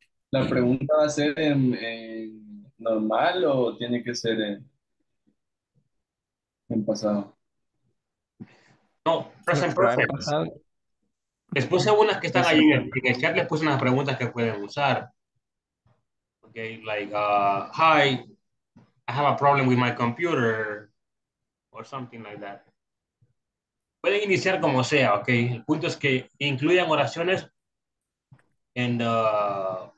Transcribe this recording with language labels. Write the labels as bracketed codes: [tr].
[es] ¿La pregunta va a ser en normal o tiene que ser en pasado? [en] No, present. [es] Les puse unas que están ahí en el chat, les puse unas preguntas que pueden usar. [en] Okay, like, hi, I have a problem with my computer, or something like that. [es] Pueden iniciar como sea, okay. El punto es que incluyan oraciones en la...